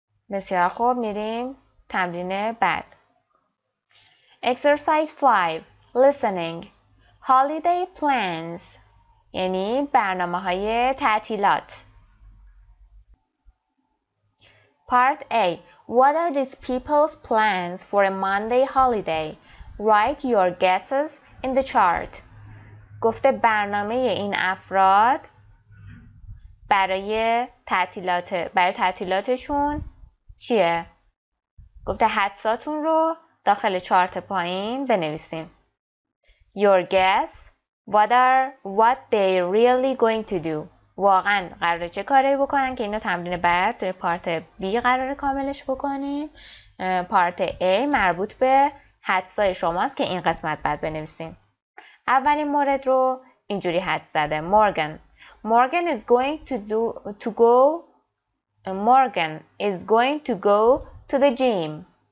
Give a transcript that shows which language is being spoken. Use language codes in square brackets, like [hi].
[fa] بسیار خوب، میریم تمرین بعد. [en] Exercise 5. Listening. Holiday plans. [fa] یعنی برنامه های تعطیلات. [en] Part A. What are these people's plans for a Monday holiday? Write your guesses in the chart. [fa] گفته برنامه این افراد برای تعطیلاتشون چیه؟ گفته حدساتون رو داخل چارت پایین بنویسیم. [en] Your guess, what are what they really going to do? [fa] واقعا قراره چه کاری بکنن که اینو تمرین بعد توی پارت B قراره کاملش بکنیم. پارت A مربوط به حدسای شماست که این قسمت بعد بنویسیم. اولین مورد رو اینجوری حد زده. [en] Morgan is going to go. Morgan is going to go to the gym.